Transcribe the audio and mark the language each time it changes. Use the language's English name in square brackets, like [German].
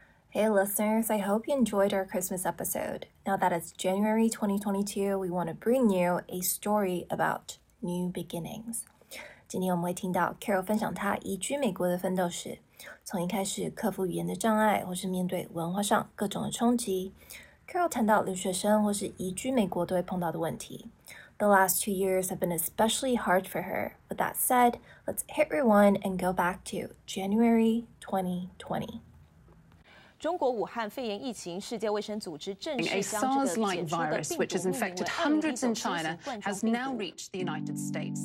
[English] Hey listeners, I hope you enjoyed our Christmas episode. Now that it's January 2022, we want to bring you a story about new beginnings. [Chinese] 今天我们会听到 Carol 分享她移居美国的奋斗史，从一开始克服语言的障碍，或是面对文化上各种的冲击。 Carol 谈到留学生或是移居美国都会碰到的问题。 [English] The last 2 years have been especially hard for her. With that said, let's hit rewind and go back to January 2020. [Chinese] 中国武汉肺炎疫情，世界卫生组织正式将这个解除的病毒命名为2019冠状病毒。